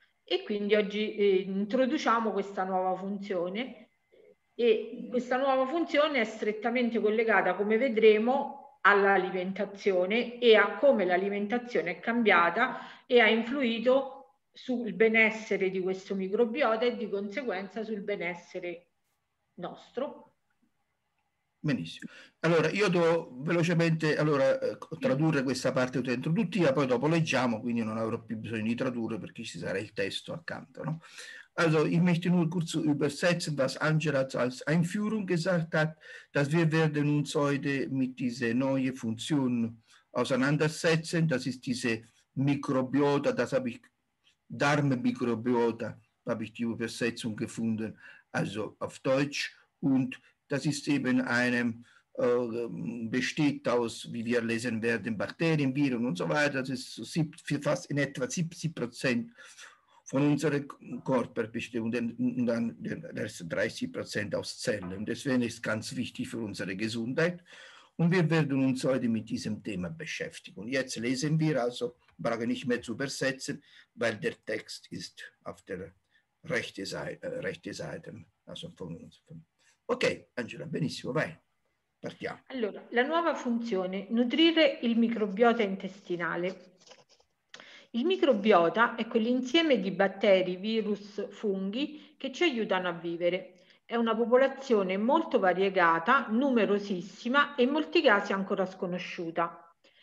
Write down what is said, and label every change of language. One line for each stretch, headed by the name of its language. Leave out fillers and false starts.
Italian: E quindi oggi introduciamo questa nuova funzione e questa nuova funzione è strettamente collegata, come vedremo, all'alimentazione e a come l'alimentazione è cambiata e ha influito sul benessere di questo microbiota e di conseguenza sul benessere nostro. Benissimo. Allora, io devo velocemente allora, tradurre questa parte introduttiva, poi dopo leggiamo, quindi non avrò più bisogno di tradurre perché ci sarà il testo accanto, no?
German: Also, ich möchte nur kurz übersetzen, was Angela als Einführung gesagt hat, dass wir werden uns heute mit dieser neuen Funktion auseinandersetzen. Das ist diese Mikrobiota, das habe ich, Darmmikrobiota, habe ich die Übersetzung gefunden, also auf Deutsch. Und das ist eben einem, besteht aus, wie wir lesen werden, Bakterien, Viren und so weiter. Das ist fast in etwa 70% von unserem Körper besteht und dann der Rest 30% aus Zellen. Deswegen ist es ganz wichtig für unsere Gesundheit. Und wir werden uns heute mit diesem Thema beschäftigen. Und jetzt lesen wir also, brauche nicht mehr zu übersetzen, weil der Text ist auf der rechten Seite, also von uns.
Italian: Ok, Angela, benissimo, vai, partiamo. Allora, la nuova funzione, nutrire il microbiota intestinale. Il microbiota è quell'insieme di batteri, virus, funghi che ci aiutano a vivere. È una popolazione molto variegata, numerosissima e in molti casi ancora sconosciuta.